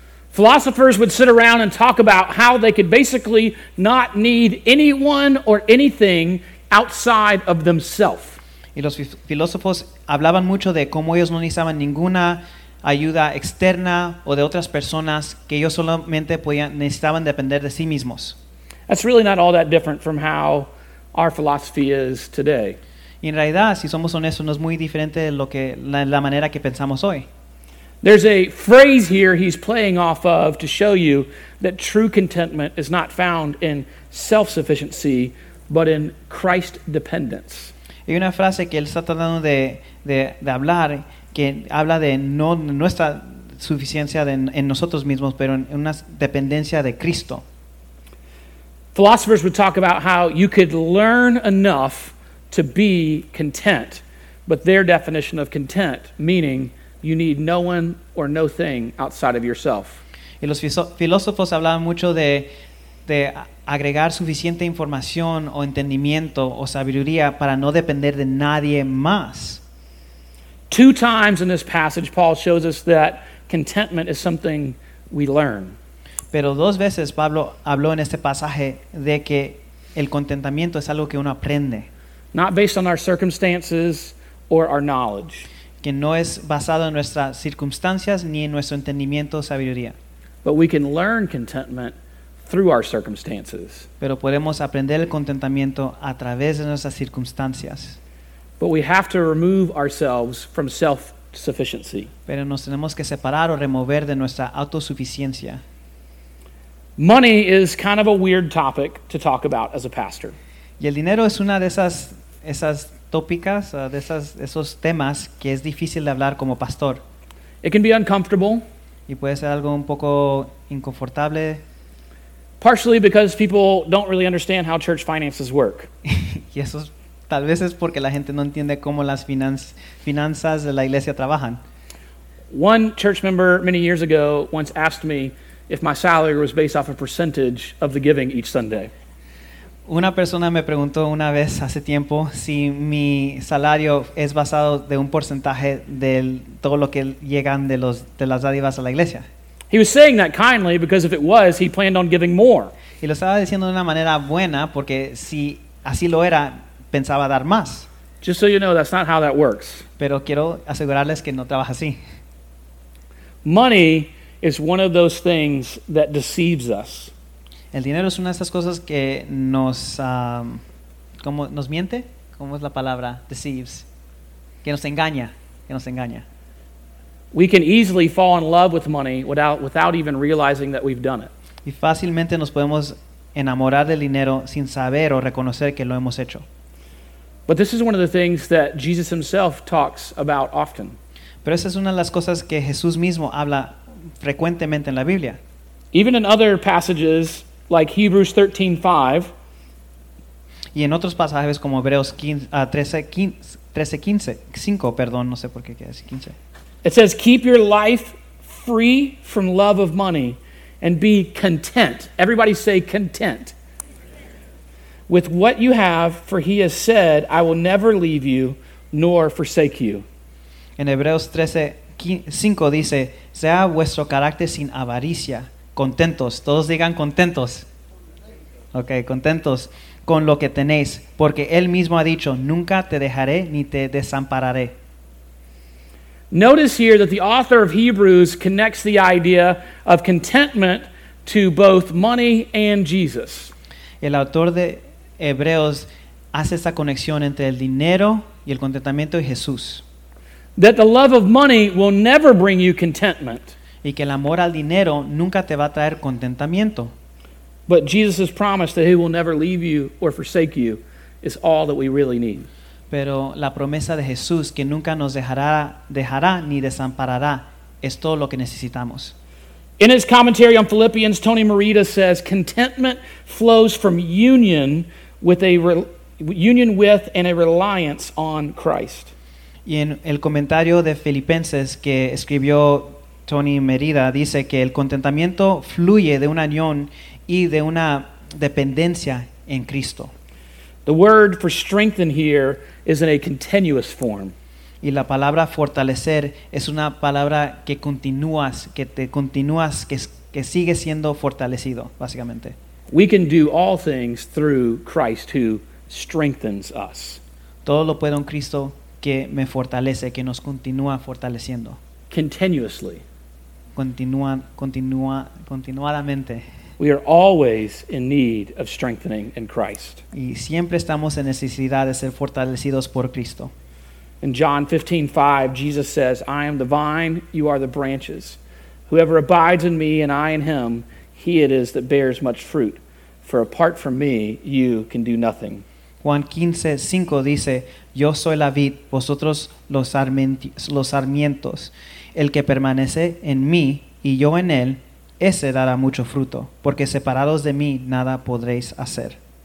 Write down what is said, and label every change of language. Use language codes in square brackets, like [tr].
[en] Philosophers would sit around and talk about how they could basically not need anyone or anything outside of themselves. [es] Y los filósofos hablaban mucho de cómo ellos no necesitaban ninguna ayuda externa o de otras personas, que ellos solamente podían, necesitaban depender de sí mismos. [en] That's really not all that different from how our philosophy is today. [es] Y en realidad, si somos honestos, no es muy diferente de lo que, la manera que pensamos hoy. [en] There's a phrase here he's playing off of to show you that true contentment is not found in self-sufficiency, but in Christ dependence. [es] Hay una frase que él está tratando de hablar, que habla de no nuestra suficiencia en nosotros mismos, pero en una dependencia de Cristo. [en] Philosophers would talk about how you could learn enough to be content, but their definition of content, meaning you need no one or no thing outside of yourself. [es] Y los filósofos hablaban mucho de agregar suficiente información o entendimiento o sabiduría para no depender de nadie más. [en] Two times in this passage, Paul shows us that contentment is something we learn. [es] Pero dos veces Pablo habló en este pasaje de que el contentamiento es algo que uno aprende. [en] Not based on our circumstances or our knowledge. [es] Que no es basado en nuestras circunstancias ni en nuestro entendimiento o sabiduría. [en] But we can learn contentment through our circumstances. [es] Pero podemos aprender el contentamiento a través de nuestras circunstancias. [en] But we have to remove ourselves from self-sufficiency. [es] Pero nos tenemos que separar o remover de nuestra autosuficiencia. [en] Money is kind of a weird topic to talk about as a pastor. [es] Y el dinero es una de esas tópicas, de esos temas que es difícil de hablar como pastor. [en] It can be uncomfortable. [es] Y puede ser algo un poco inconfortable. [en] Partially because people don't really understand how church finances work. [es] Y eso es, tal vez es porque la gente no entiende cómo las finanzas de la iglesia trabajan. [en] One church member many years ago once asked me if my salary was based off a percentage of the giving each Sunday. [es] Una persona me preguntó una vez hace tiempo si mi salario es basado de un porcentaje de todo lo que llegan de las dádivas a la iglesia. [en] He was saying that kindly because if it was, he planned on giving more. [es] Y lo estaba diciendo de una manera buena porque si así lo era, pensaba dar más. [en] Just so you know, that's not how that works. [es] Pero quiero asegurarles que no trabaja así. [en] Money is one of those things that deceives us. [es] El dinero es una de esas cosas que nos ¿cómo nos miente? ¿Cómo es la palabra? Deceives. Que nos engaña. [en] We can easily fall in love with money without even realizing that we've done it. [es] Y fácilmente nos podemos enamorar del dinero sin saber o reconocer que lo hemos hecho. [en] But this is one of the things that Jesus himself talks about often. [es] Pero esa es una de las cosas que Jesús mismo habla frecuentemente en la Biblia. [en] Even in other passages like Hebrews 13:5. [es] Y en otros pasajes como Hebreos 13:5, no sé por qué queda así 15. [en] It says, keep your life free from love of money and be content. Everybody say content. With what you have, for he has said, I will never leave you nor forsake you. [es] En Hebreos 13:5 dice, sea vuestro carácter sin avaricia, contentos. Todos digan contentos. Ok, contentos con lo que tenéis, porque él mismo ha dicho, nunca te dejaré ni te desampararé. [en] Notice here that the author of Hebrews connects the idea of contentment to both money and Jesus. [es] El autor de Hebreos hace esa conexión entre el dinero y el contentamiento y Jesús. [en] That the love of money will never bring you contentment. [es] Y que el amor al dinero nunca te va a traer contentamiento. [en] But Jesus has promised that he will never leave you or forsake you is all that we really need. [es] Pero la promesa de Jesús que nunca nos dejará ni desamparará es todo lo que necesitamos. [en] In his commentary on Philippians, Tony Morita says, contentment flows from union with a union with and a reliance on Christ. [es] Y en el comentario de Filipenses que escribió Tony Merida dice que el contentamiento fluye de una unión y de una dependencia en Cristo. [en] The word for strengthen here is in a continuous form. [es] Y la palabra fortalecer es una palabra que continúas, que te continúas, que sigue siendo fortalecido, básicamente. [en] We can do all things through Christ who strengthens us. [es] Todo lo puedo en Cristo que me fortalece, que nos continúa fortaleciendo. [en] Continuously. [es] Continuadamente. [en] We are always in need of strengthening in Christ. [es] Y siempre estamos en necesidad de ser fortalecidos por Cristo. [en] In John 15:5, Jesus says, I am the vine, you are the branches. Whoever abides in me and I in him, he it is that bears much fruit. For apart from me, you can do nothing. [es] Juan 15:5 dice, yo soy la vid, vosotros los sarmientos. El que permanece en mí y yo en él, ese dará mucho fruto, porque separados de mí nada podréis hacer.